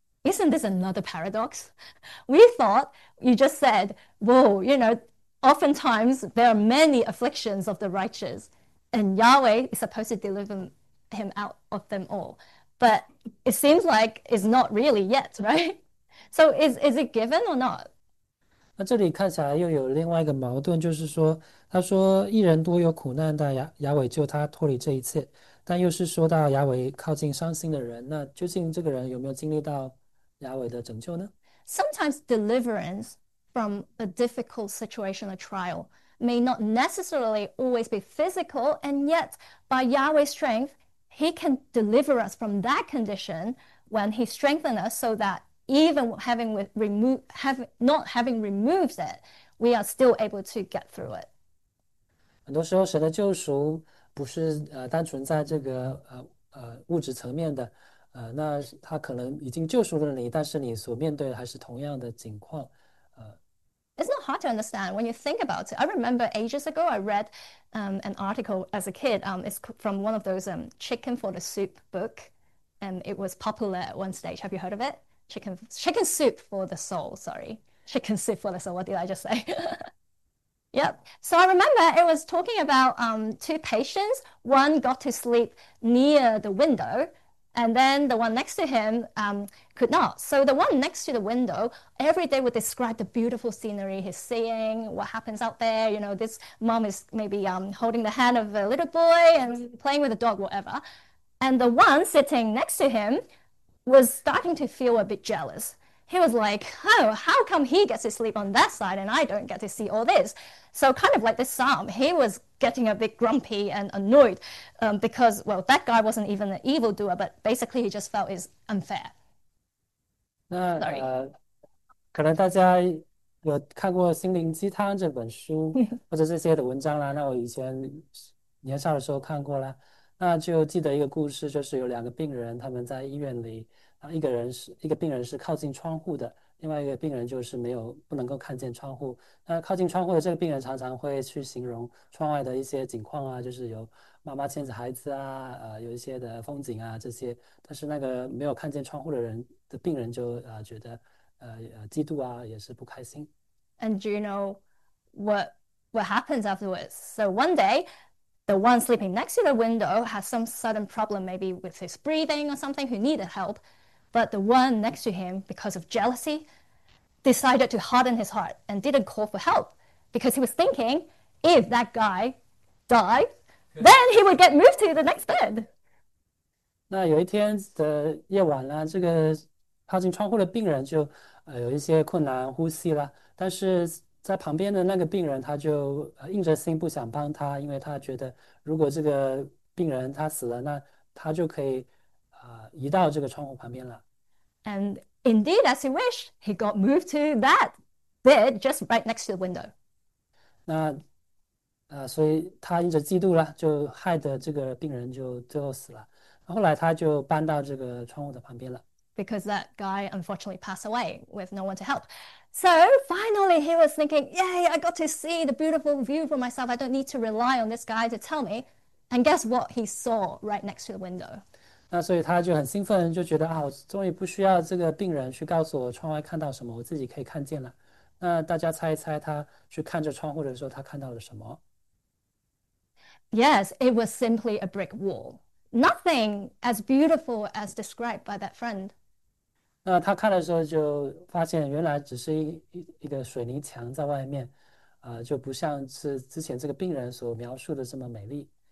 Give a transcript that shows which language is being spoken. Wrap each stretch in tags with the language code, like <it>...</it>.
<en>Isn't this another paradox? We thought you just said, whoa, you know, oftentimes there are many afflictions of the righteous, and Yahweh is supposed to deliver him out of them all. But it seems like it's not really yet, right? So is it given or not?</en> <zh>那这里看起来又有另外一个矛盾，就是说，他说一人多有苦难，但亚伟救他脱离这一切，但又是说到亚伟靠近伤心的人，那究竟这个人有没有经历到亚伟的拯救呢？</zh> <en>Sometimes deliverance from a difficult situation or trial may not necessarily always be physical, and yet by Yahweh's strength, he can deliver us from that condition when he strengthens us so that even having with remove have not having removed it, we are still able to get through it.</en> <zh>很多时候，神的救赎不是单纯在这个物质层面的，那他可能已经救赎了你，但是你所面对的还是同样的境况，</zh> <en>It's not hard to understand when you think about it. I remember ages ago, I read an article as a kid. It's from one of those Chicken for the Soup book, and it was popular at one stage. Have you heard of it? Chicken Soup for the Soul, sorry. Chicken Soup for the Soul, what did I just say? Yep. So I remember it was talking about two patients. One got to sleep near the window, and then the one next to him could not. So the one next to the window, every day would describe the beautiful scenery he's seeing, what happens out there. You know, this mom is maybe holding the hand of a little boy and playing with a dog, whatever. And the one sitting next to him was starting to feel a bit jealous. He was like, oh, how come he gets to sleep on that side and I don't get to see all this? So kind of like this psalm, he was getting a bit grumpy and annoyed because, well, that guy wasn't even an evildoer, but basically he just felt it's unfair.</en> <zh>那可能大家有看过《心灵鸡汤》这本书，</zh> <en>Sorry.</en> <zh>或者这些的文章啦。那我以前年少的时候看过啦，那就记得一个故事，就是有两个病人，他们在医院里，啊，一个病人是靠近窗户的，另外一个病人就是没有，不能够看见窗户。那靠近窗户的这个病人常常会去形容窗外的一些景况啊，就是有妈妈牵着孩子啊，有一些的风景啊这些。但是那个没有看见窗户的人。的病人就觉得嫉妒啊，也是不开心。</zh> <en>And do you know what happens afterwards? So one day, the one sleeping next to the window has some sudden problem, maybe with his breathing or something, who needed help. But the one next to him, because of jealousy, decided to harden his heart and didn't call for help because he was thinking if that guy died, then he would get moved to the next bed.</en> <zh>那有一天的夜晚呢，这个。靠近窗户的病人就，有一些困难呼吸了，但是在旁边的那个病人，他就硬着心不想帮他，因为他觉得如果这个病人他死了，那他就可以，移到这个窗户旁边了。</zh> <en>And indeed, as he wished, he got moved to that bed just right next to the window.</en> <zh>那所以他因着嫉妒了，就害得这个病人就最后死了。后来他就搬到这个窗户的旁边了。</zh> <en>Because that guy unfortunately passed away with no one to help. So finally, he was thinking, yay, I got to see the beautiful view for myself. I don't need to rely on this guy to tell me. And guess what he saw right next to the window?</en> <zh>那所以他就很兴奋，就觉得啊，我终于不需要这个病人去告诉我窗外看到什么，我自己可以看见了。那大家猜一猜，他去看着窗户的时候，他看到了什么？</zh> <en>Yes, it was simply a brick wall. Nothing as beautiful as described by that friend.</en> <zh>那他看的时候就发现，原来只是一个水泥墙在外面，就不像是之前这个病人所描述的这么美丽。</zh>